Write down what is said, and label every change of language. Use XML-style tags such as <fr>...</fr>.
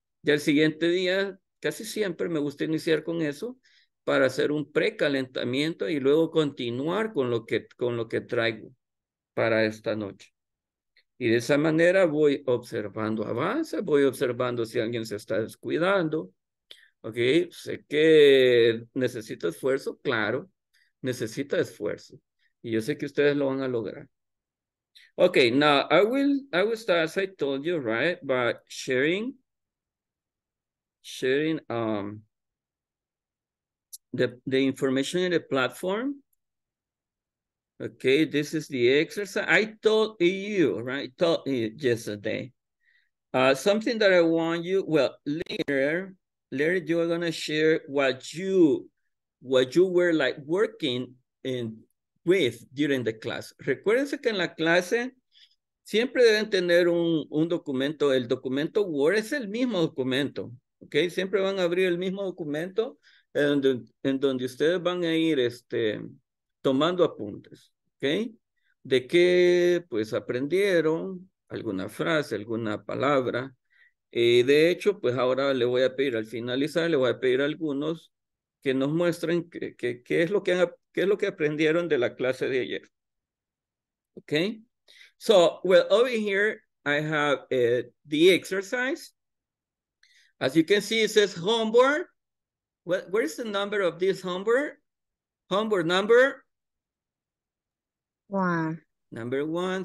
<es>Y el siguiente día, casi siempre me gusta iniciar con eso para hacer un precalentamiento y luego continuar con lo que traigo para esta noche. Y de esa manera voy observando avances, voy observando si alguien se está descuidando. Ok, sé que necesita esfuerzo, claro, necesita esfuerzo. Y yo sé que ustedes lo van a lograr.</es> <en>Okay, now I will start as I told you, right? But sharing the information in the platform. Okay, this is the exercise. I told you, right? Told you yesterday. Something that I want you, well, later you are gonna share what you were like working in with during the class.</en> <es>Recuérdense que en la clase siempre deben tener un documento. El documento Word es el mismo documento. Okay, siempre van a abrir el mismo documento en donde ustedes van a ir tomando apuntes. Okay, de qué pues aprendieron, alguna frase, alguna palabra. Y de hecho, pues ahora le voy a pedir al finalizar, le voy a pedir a algunos que nos muestren qué es lo que aprendieron de la clase de ayer.</es> <en>Okay. So, well, over here, I have the exercise. As you can see, it says homework. Well, where is the number of this homework? Homework number? One. Number one.</en>